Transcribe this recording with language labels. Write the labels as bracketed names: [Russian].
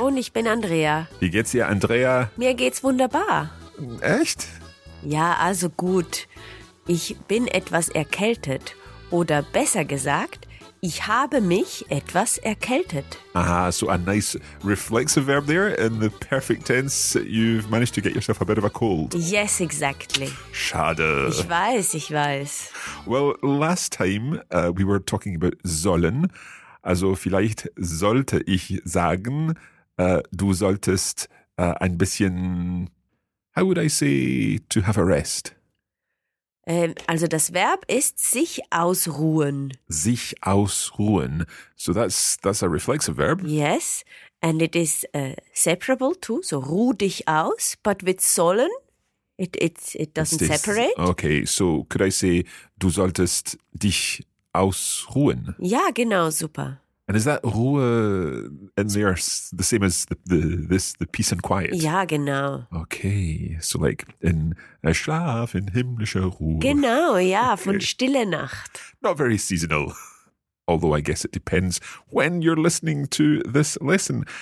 [German] Und ich bin Andrea. Wie geht's dir, Andrea? Mir geht's wunderbar. Echt? Ja, also gut. Ich bin etwas erkältet. Oder besser gesagt, ich habe mich etwas erkältet. [English] Aha, so a nice reflexive verb there in the perfect tense. You've managed to get yourself a bit of a cold. Yes, exactly. [German] Schade. Ich weiß. [English] Well, last time we were talking about sollen. [German] Also vielleicht sollte ich sagen, du solltest ein bisschen, [English] how would I say, to have a rest. [German] Also das Verb ist sich ausruhen. Sich ausruhen. [English] So that's a reflexive verb. Yes, and it is separable too. So [German] ruh dich aus, [English] but with sollen, it doesn't separate. Okay, so could I say, [German] du solltest dich ausruhen? Ja, genau, super. [English] And is that Ruhe in there the same as the peace and quiet? [German] Ja, genau. [English] Okay, so like in [German] Schlaf, in himmlischer Ruhe. Genau, ja, okay. Von Stille Nacht. [English] Not very seasonal, although I guess it depends when you're listening to this lesson.